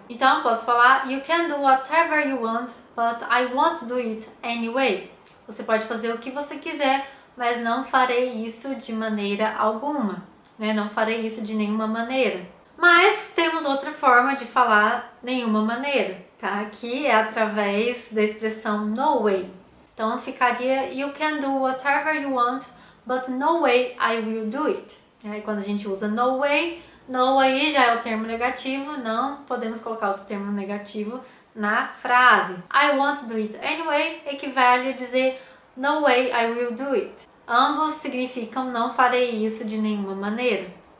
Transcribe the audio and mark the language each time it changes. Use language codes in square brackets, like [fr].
[pt] Então, posso falar, [en] you can do whatever you want, but I won't do it anyway. [pt] Você pode fazer o que você quiser, mas não farei isso de maneira alguma. Né? Não farei isso de nenhuma maneira. Mas temos outra forma de falar nenhuma maneira, tá? Que é através da expressão no way. Então, ficaria, [en] you can do whatever you want, but no way I will do it. [pt] Aí, quando a gente usa no way, no aí já é o termo negativo, não podemos colocar outro termo negativo na frase. [en] I won't do it anyway [pt] equivale a dizer [en] no way I will do it. [pt] Ambos significam não farei isso de nenhuma maneira.